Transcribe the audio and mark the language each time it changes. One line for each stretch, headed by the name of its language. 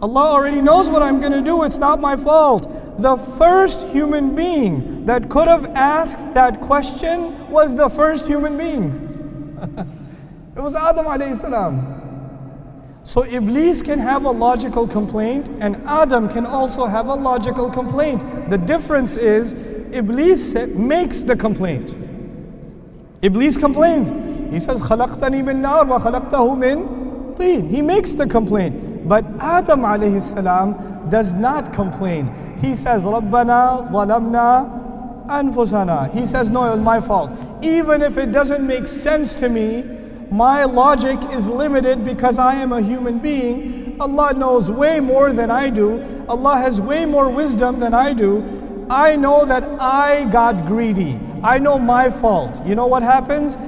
English: Allah already knows what I'm going to do. It's not my fault. The first human being that could have asked that question was the first human being. It was Adam alayhi salam. So Iblis can have a logical complaint, and Adam can also have a logical complaint. The difference is, Iblis makes the complaint. Iblis complains. He says,
Arabic: خَلَقْتَنِي مِن نَار وَخَلَقْتَهُ مِن طِين.
English: He makes the complaint. But Adam alayhi salam does not complain. He says,
Arabic: رَبَّنَا ظَلَمْنَا أَنفُسَنَا.
English: He says, no, it was my fault. Even if it doesn't make sense to me, my logic is limited because I am a human being. Allah knows way more than I do. Allah has way more wisdom than I do. I know that I got greedy. I know my fault. You know what happens?